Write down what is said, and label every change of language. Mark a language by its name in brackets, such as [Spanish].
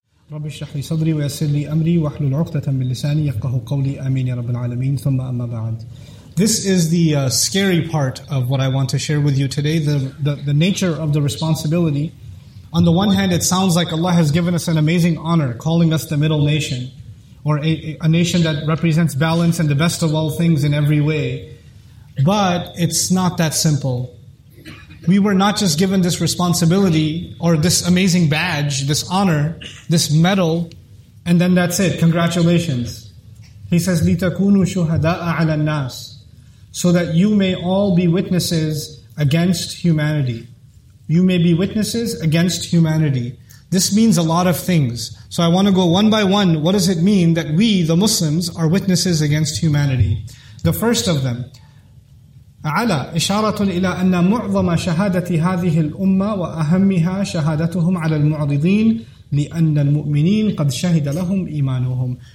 [Arabic] رب اشرح لي صدري ويسر لي امري واحلل عقدة من لساني يفقهوا قولي امين يا رب العالمين ثم اما بعد. [English] This is the scary part of what I want to share with you today, the nature of the responsibility. On the one hand, it sounds like Allah has given us an amazing honor, calling us the middle nation, or a nation that represents balance and the best of all things in every way. But it's not that simple. We were not just given this responsibility or this amazing badge, this honor, this medal, and then that's it. Congratulations. He says, [Arabic] لِتَكُونُوا شُهَدَاءَ عَلَى النَّاسِ, [English] so that you may all be witnesses against humanity. You may be witnesses against humanity. This means a lot of things. So I want to go one by one. What does it mean that we, the Muslims, are witnesses against humanity? The first of them, [Arabic] على إشارة إلى أن معظم شهادة هذه الأمة وأهمها شهادتهم على المعرضين لأن المؤمنين قد شهد لهم إيمانهم.